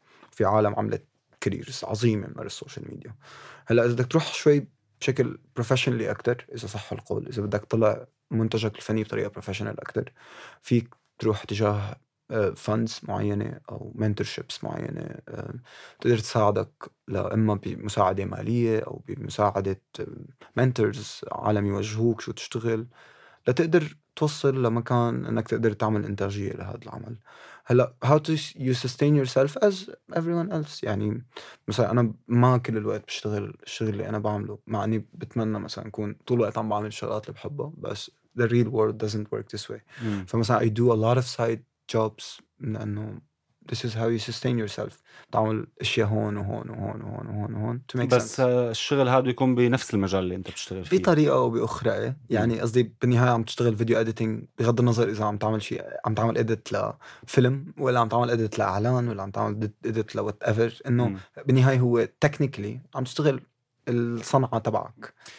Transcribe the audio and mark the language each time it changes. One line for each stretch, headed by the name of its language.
Arabic: في عالم عملت كاريرز عظيمة من مر السوشيال ميديا. هلا اذا بدك تروح شوي بشكل بروفيشنلي اكثر، اذا صح القول، اذا بدك تطلع منتجك الفني بطريقه بروفيشنال اكثر، فيك تروح تجاه فاندز معينه او منتورشيبس معينه تقدر تساعدك، لاما بمساعده ماليه او بمساعده منتورز عالم يوجهوك شو تشتغل لتقدر توصل لمكان انك تقدر تعمل انتاجيه لهذا العمل. هلا
English: how to you sustain yourself as everyone else،
Arabic: يعني مثلا انا ما كل الوقت بشتغل الشغل اللي انا بعمله، مع اني بتمنى مثلا اكون طول الوقت عم بعمل شغلات اللي بحبها، بس
English: the real world doesn't work this way. فمثلا I do a lot of side jobs لانه this is how you sustain yourself،
Arabic: تعمل اشياء هون وهون
English: وهون وهون وهون وهون to make
Arabic: بس
English: sense.
Arabic: الشغل هذا يكون بنفس المجال اللي انت بتشتغل فيه بطريقه او باخرى، يعني قصدي بالنهايه عم تشتغل فيديو اديتنج بغض النظر اذا عم تعمل شيء، عم تعمل اديت لفيلم ولا عم تعمل اديت لاعلان ولا عم تعمل اديت لوات ايفر، انه بالنهايه هو تكنيكلي عم تشتغل الصنعه تبعك.